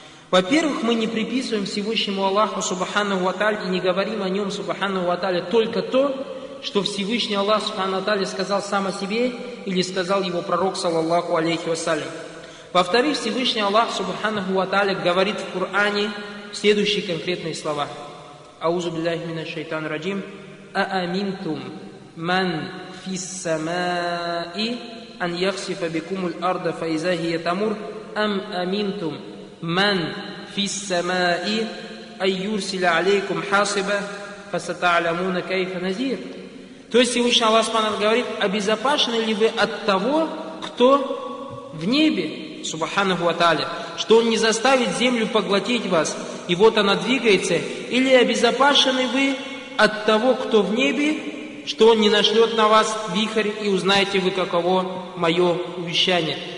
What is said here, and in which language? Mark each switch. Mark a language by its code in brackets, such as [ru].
[ru] Во-первых, мы не приписываем Всевышнему Аллаху, Субханаху ва тааля, и не говорим о нем, Субханаху ва тааля, только то, что Всевышний Аллах, Субханаху ва тааля, сказал сам о себе или сказал его пророк, саллаллаху алейхи ва саллям. Во-вторых, Всевышний Аллах, Субханаху ва тааля, говорит в Коране следующие конкретные слова. [ar] أعوذ بالله من الشيطان الرجيم أأمنتم من في السماء أن يخسف بكم الأرض فإذا هي تمر أم أمنتم من في السماء أن يرسل عليكم حاصبا فستعلمون كيف نذير. [ru] То есть Всевышний Аллах Субхана говорит: обезопасены ли вы от того, кто в небе, Субханаху ва тааля, что он не заставит землю поглотить вас, и вот она двигается, или обезопасены вы от того, кто в небе, что он не нашлет на вас вихрь, и узнаете вы, каково мое увещание.